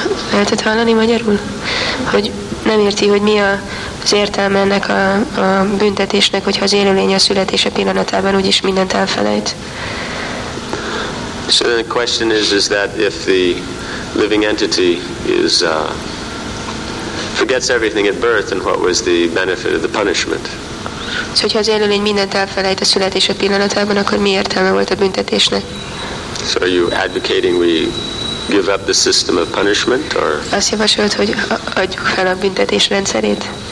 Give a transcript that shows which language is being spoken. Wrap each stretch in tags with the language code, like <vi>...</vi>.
<hu>Lehetett hallani magyarul? Hogy nem érti, hogy mi az értelme ennek a büntetésnek, hogyha az élőlény a születése pillanatában úgyis mindent elfelejt.</hu> <en>So the question is that if the living entity is forgets everything at birth, and what was the benefit of the punishment?</en> <hu>So, hogyha az élőlény mindent elfelejt a születése pillanatában, akkor mi értelme volt a büntetésnek?</hu> <en>So, are you advocating we give up the system of punishment, or?</en> <hu>Azt javasolt, hogy adjuk fel a büntetés rendszerét.</hu>